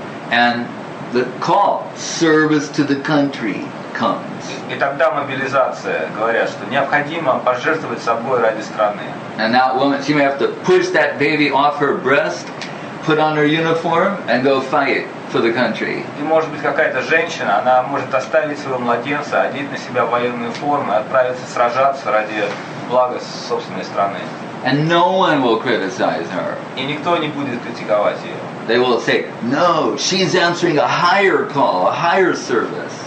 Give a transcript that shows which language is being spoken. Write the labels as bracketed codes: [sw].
[en] And the call, service to the country, comes. [ru] И тогда мобилизация говорят, что необходимо пожертвовать собой ради страны. [en] And that woman, she may have to push that baby off her breast, put on her uniform and go fight for the country. [ru] И может быть какая-то женщина, она может оставить своего младенца, одеть на себя военную форму, отправиться сражаться ради блага собственной страны. [en] And no one will criticize her. [ru] И никто не будет критиковать ее. [en] They will say, "No, she's answering a higher call, a higher service."